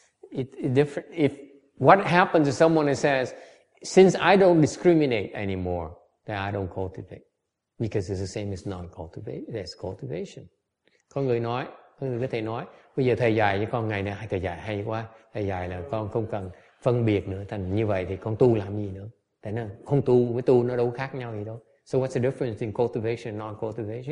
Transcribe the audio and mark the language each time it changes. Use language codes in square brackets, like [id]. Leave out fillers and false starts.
[en] It different if what happens to someone that says since I don't discriminate anymore, then I don't cultivate. Because it's the same as cultivation. [vi] Có người nói, có người có thể nói, bây giờ thầy dạy cho con ngày nào, thầy dạy hay quá, thầy dạy là con không cần phân biệt nữa, thành như vậy thì con tu làm gì nữa. Thế nên không tu với tu nó đâu khác nhau gì đâu. [en] So what's the difference between cultivation and non-cultivation?